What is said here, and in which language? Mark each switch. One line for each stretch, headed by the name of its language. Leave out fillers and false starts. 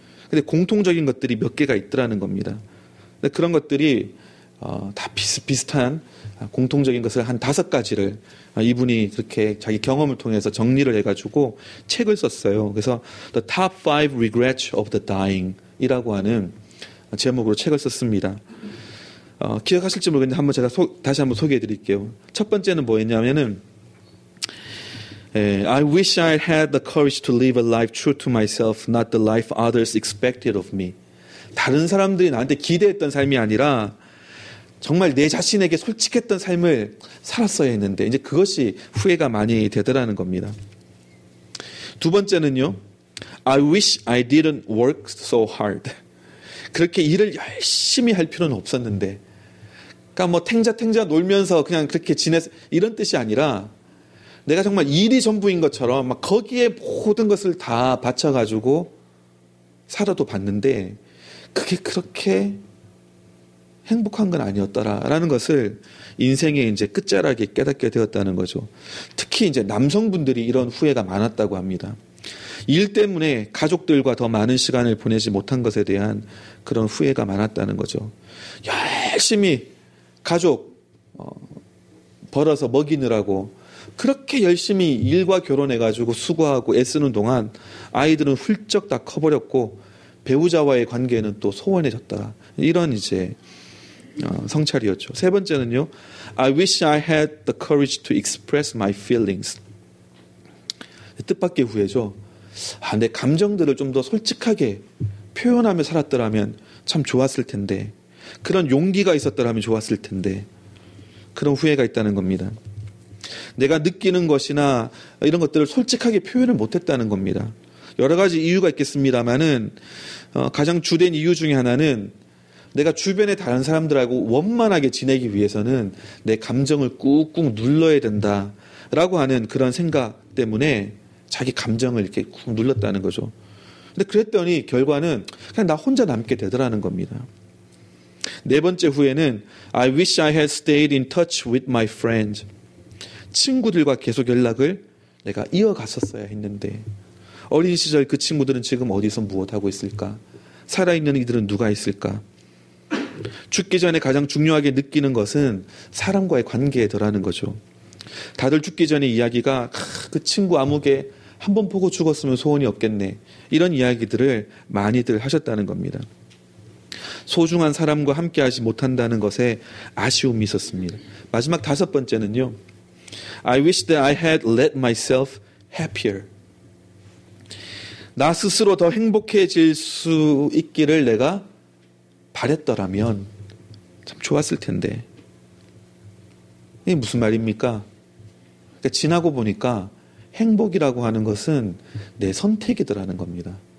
Korean: 근데 공통적인 것들이 몇 개가 있더라는 겁니다. 근데 그런 것들이 다 비슷한 공통적인 것을 한 다섯 가지를 이분이 그렇게 자기 경험을 통해서 정리를 해가지고 책을 썼어요. 그래서
English: The Top 5 Regrets of the Dying
Korean: 이라고 하는 제목으로 책을 썼습니다. 기억하실지 모르겠는데 한번 제가 다시 한번 소개해 드릴게요. 첫 번째는 뭐였냐면은
English: I wish I had the courage to live a life true to myself, not the life others expected of me.
Korean: 다른 사람들이 나한테 기대했던 삶이 아니라 정말 내 자신에게 솔직했던 삶을 살았어야 했는데 이제 그것이 후회가 많이 되더라는 겁니다. 두 번째는요.
English: I wish I didn't work so hard.
Korean: 그렇게 일을 열심히 할 필요는 없었는데 그러니까 뭐 탱자탱자 놀면서 그냥 그렇게 지내서 이런 뜻이 아니라 내가 정말 일이 전부인 것처럼 막 거기에 모든 것을 다 바쳐가지고 살아도 봤는데 그게 그렇게 행복한 건 아니었더라라는 것을 인생의 이제 끝자락에 깨닫게 되었다는 거죠. 특히 이제 남성분들이 이런 후회가 많았다고 합니다. 일 때문에 가족들과 더 많은 시간을 보내지 못한 것에 대한 그런 후회가 많았다는 거죠. 열심히 가족 벌어서 먹이느라고 그렇게 열심히 일과 결혼해가지고 수고하고 애쓰는 동안 아이들은 훌쩍 다 커버렸고 배우자와의 관계는 또 소원해졌다. 이런 이제 성찰이었죠. 세 번째는요.
English: I wish I had the courage to express my feelings.
Korean: 뜻밖의 후회죠. 아, 내 감정들을 좀 더 솔직하게 표현하며 살았더라면 참 좋았을 텐데. 그런 용기가 있었더라면 좋았을 텐데. 그런 후회가 있다는 겁니다. 내가 느끼는 것이나 이런 것들을 솔직하게 표현을 못했다는 겁니다. 여러 가지 이유가 있겠습니다만은 가장 주된 이유 중에 하나는 내가 주변의 다른 사람들하고 원만하게 지내기 위해서는 내 감정을 꾹꾹 눌러야 된다라고 하는 그런 생각 때문에 자기 감정을 이렇게 꾹 눌렀다는 거죠. 근데 그랬더니 결과는 그냥 나 혼자 남게 되더라는 겁니다. 네 번째 후회는
English: I wish I had stayed in touch with my friends.
Korean: 친구들과 계속 연락을 내가 이어갔었어야 했는데 어린 시절 그 친구들은 지금 어디서 무엇하고 있을까? 살아있는 이들은 누가 있을까? 죽기 전에 가장 중요하게 느끼는 것은 사람과의 관계더라는 거죠. 다들 죽기 전에 이야기가 그 친구 아무개 한번 보고 죽었으면 소원이 없겠네 이런 이야기들을 많이들 하셨다는 겁니다. 소중한 사람과 함께하지 못한다는 것에 아쉬움이 있었습니다. 마지막 다섯 번째는요.
English: I wish that I had let myself happier.
Korean: 나 스스로 더 행복해질 수 있기를 내가 바랬더라면 참 좋았을 텐데. 이게 무슨 말입니까? 그러니까 지나고 보니까 행복이라고 하는 것은 내 선택이더라는 겁니다.